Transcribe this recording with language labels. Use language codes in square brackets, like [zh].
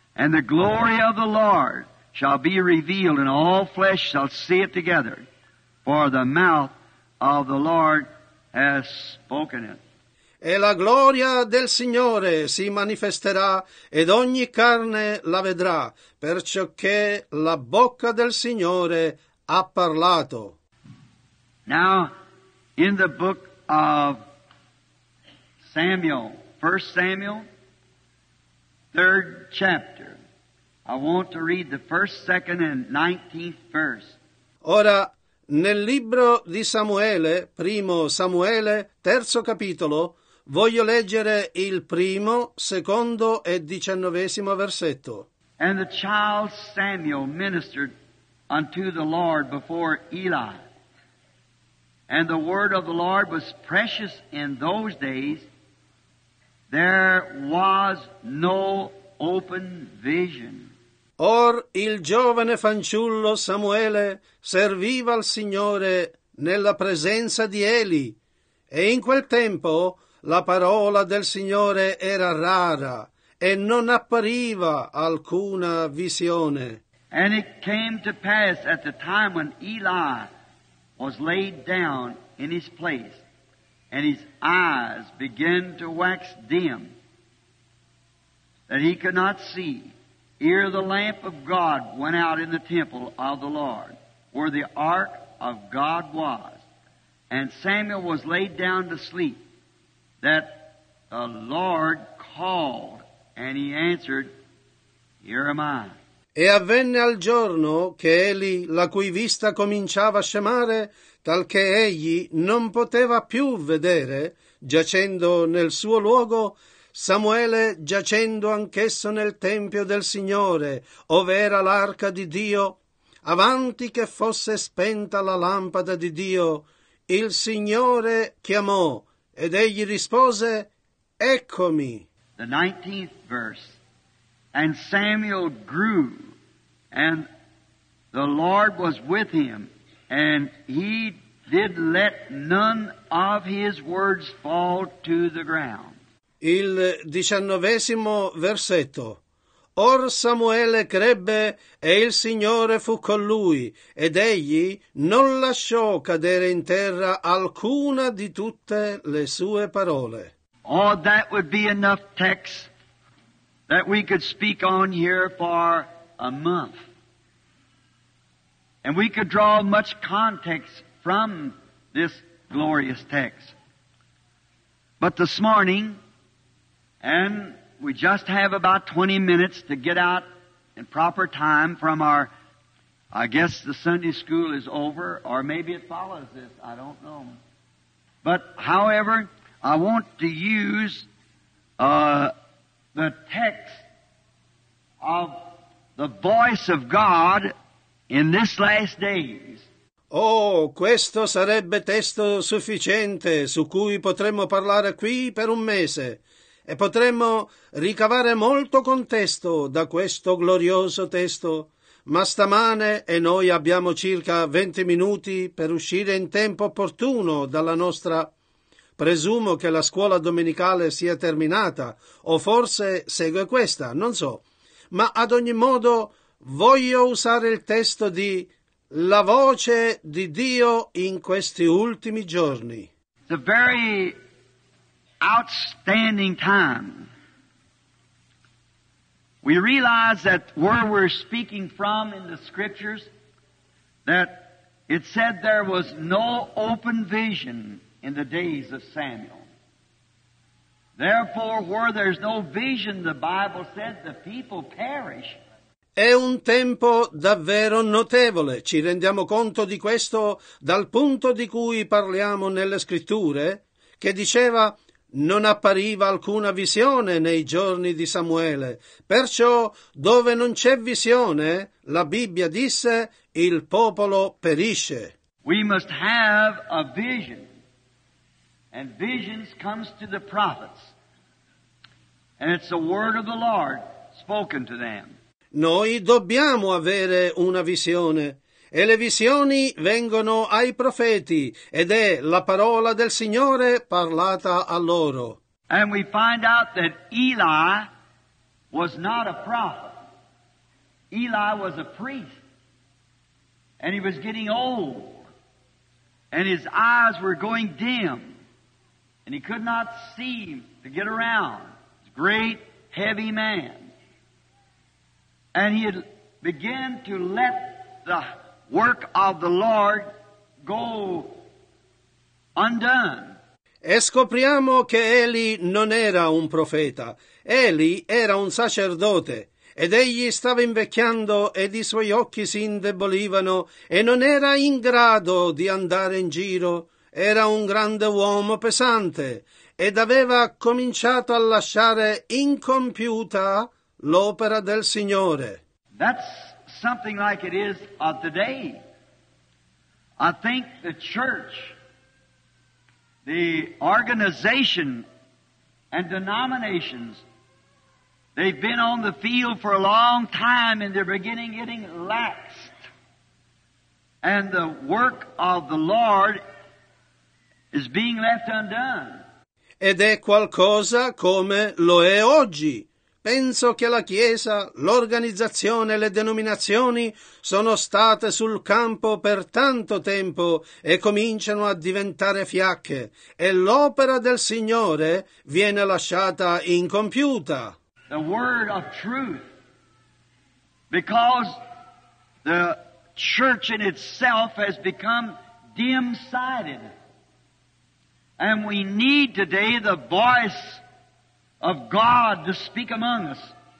[en] And the glory of the Lord shall be revealed, and all flesh shall see it together, for the mouth of the Lord has spoken it. [it] E la gloria del Signore si manifesterà, ed ogni carne la vedrà, perciò che la bocca del Signore ha parlato. [en] Now, in the book of Samuel, 1 Samuel, 3rd chapter, I want to read the 1st, 2nd, and 19th verse. [it] Ora, nel libro di Samuele, 1 Samuele, 3 capitolo, voglio leggere il 1°, 2° e 19° versetto. [en] And the child Samuel ministered unto the Lord before Eli. And the word of the Lord was precious in those days. There was no open vision. [it] Or il giovane fanciullo Samuele serviva al Signore nella presenza di Eli. E in quel tempo la parola del Signore era rara e non appariva alcuna visione. [en] And it came to pass at the time when Eli was laid down in his place, and his eyes began to wax dim, that he could not see, ere the lamp of God went out in the temple of the Lord, where the ark of God was, and Samuel was laid down to sleep, that the Lord called, and he answered, Here am I. [it] E avvenne al giorno che Eli, la cui vista cominciava a scemare, talché egli non poteva più vedere, giacendo nel suo luogo, Samuele giacendo anch'esso nel tempio del Signore, ove era l'arca di Dio, avanti che fosse spenta la lampada di Dio, il Signore chiamò, ed egli rispose, Eccomi. [en] The 19th verse. And Samuel grew, and the Lord was with him, and he did let none of his words fall to the ground. [it] Il 19° versetto. Or Samuele crebbe, e il Signore fu con lui, ed egli non lasciò cadere in terra alcuna di tutte le sue parole. [en] Oh, that would be enough text that we could speak on here for a month. And we could draw much context from this glorious text. But this morning, and we just have about 20 minutes to get out in proper time from our, I guess the Sunday school is over, or maybe it follows this, I don't know. But however, I want to use the text of the voice of God in this last days. [it] Oh, questo sarebbe testo sufficiente su cui potremmo parlare qui per un mese e potremmo ricavare molto contesto da questo glorioso testo. Ma stamane, e noi abbiamo circa 20 minuti per uscire in tempo opportuno dalla nostra... Presumo che la scuola domenicale sia terminata, o forse segue questa, non so. Ma ad ogni modo voglio usare il testo di La voce di Dio in questi ultimi giorni. [en] It's a very outstanding time. We realize that where we're speaking from in the scriptures, that it said there was no open vision in the days of Samuel. Therefore, where there's no vision, the Bible said, the people perish. [it] È un tempo davvero notevole. Ci rendiamo conto di questo dal punto di cui parliamo nelle scritture, che diceva non appariva alcuna visione nei giorni di Samuele. Perciò, dove non c'è visione, la Bibbia disse, il popolo perisce. [en] We must have a vision. And visions comes to the prophets. And it's the word of the Lord spoken to them. [it] Noi dobbiamo avere una visione. E le visioni vengono ai profeti, ed è la parola del Signore parlata a loro. [en] And we find out that Eli was not a prophet. Eli was a priest. And he was getting old. And his eyes were going dim. And he could not see to get around. He's a great, heavy man. And he had begun to let the work of the Lord go undone. [it] E scopriamo che Eli non era un profeta. Eli era un sacerdote. Ed egli stava invecchiando ed i suoi occhi si indebolivano e non era in grado di andare in giro. Era un grande uomo pesante ed aveva cominciato a lasciare incompiuta l'opera del Signore. [en] That's something like it is of today. I think the church, the organization and denominations, they've been on the field for a long time and they're beginning getting laxed. And the work of the Lord is being left undone. [it] Ed è qualcosa come lo è oggi. Penso che la Chiesa, l'organizzazione, le denominazioni sono state sul campo per tanto tempo e cominciano a diventare fiacche e l'opera del Signore viene lasciata incompiuta. [en] The word of truth, because the church in itself has become dim-sighted. And we need today the voice of God to speak among us.